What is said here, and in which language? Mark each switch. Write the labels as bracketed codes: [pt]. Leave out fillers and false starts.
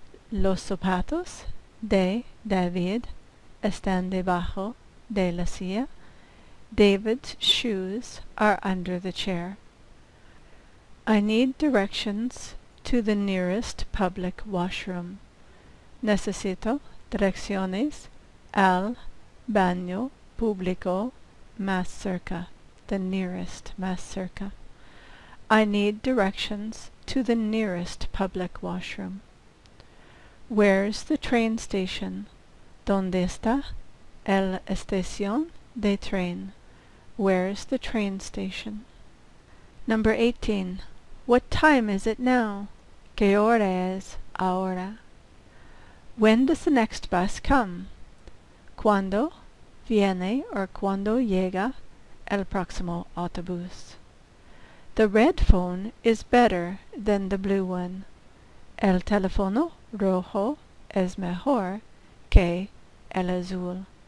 [es] Los zapatos de David están debajo de la silla. [en] David's shoes are under the chair. I need directions to the nearest public washroom. [es] Necesito direcciones al baño público más cerca. [en] The nearest [es] más cerca. [en] I need directions to the nearest public washroom. Where's the train station? [es] ¿Dónde está el estación de tren? [en] Where's the train station? Number 18. What time is it now? [es] ¿Qué hora es ahora? [en] When does the next bus come? [es] ¿Cuándo viene o cuándo llega el próximo autobús? [en] The red phone is better than the blue one. [es] El teléfono rojo es mejor que el azul.